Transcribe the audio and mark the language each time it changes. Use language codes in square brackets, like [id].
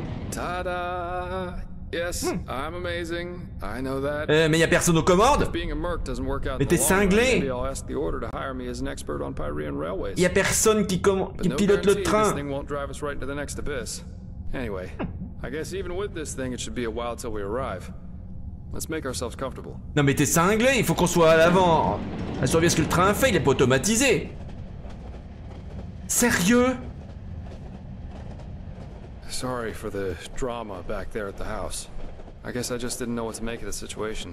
[en] Ta-da! Yes, I'm amazing. I know that. [fr] Mais y'a personne aux commandes? [en] Being a merc doesn't work out. [fr] Mais t'es cinglé! [en] I'll ask the order to hire me as an expert on Pyrenean railways. [fr] Y'a personne qui qui pilote le train. [en] This thing won't drive us right into the next abyss. Anyway, I guess even with this thing, it should be a while till we arrive. Let's make ourselves comfortable. [fr] Non mais t'es cinglé, il faut qu'on soit à l'avant. Assure bien ce que le train fait, il est pas automatisé. Sérieux? [en] Sorry for the drama back there at the house. I guess I just didn't know what to make of the situation.